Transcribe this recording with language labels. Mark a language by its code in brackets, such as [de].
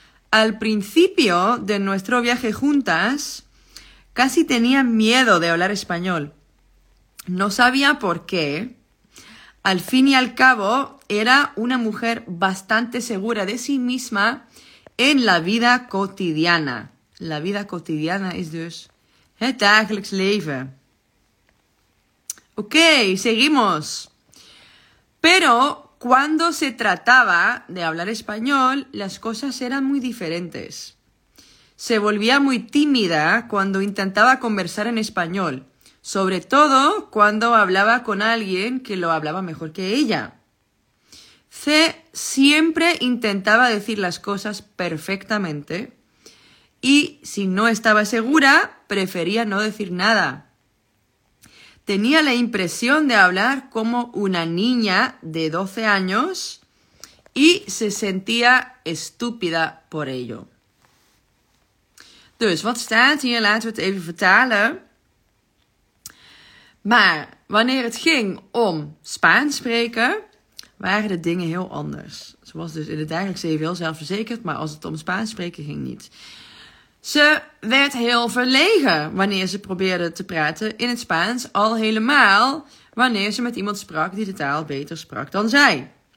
[es] Al principio de nuestro viaje juntas, casi tenía miedo de hablar español. No sabía por qué. Al fin y al cabo, era una mujer bastante segura de sí misma en la vida cotidiana. La vida cotidiana es [nl] dus het dagelijks leven. [es] Okay, seguimos. Pero cuando se trataba de hablar español, las cosas eran muy diferentes. Se volvía muy tímida cuando intentaba conversar en español, sobre todo cuando hablaba con alguien que lo hablaba mejor que ella. C siempre intentaba decir las cosas perfectamente y si no estaba segura, prefería no decir nada. Tenía la impresión de hablar como una niña de 12 años y se sentía estúpida por ello. [nl] Dus wat staat hier? Laten we het even vertalen. Maar wanneer het ging om Spaans spreken, waren de dingen heel anders. Ze was dus in het dagelijks leven heel zelfverzekerd, maar als het om Spaans spreken ging niet. Ze werd heel verlegen wanneer ze probeerde te praten in het Spaans, al helemaal wanneer ze met iemand sprak die de taal beter sprak dan zij.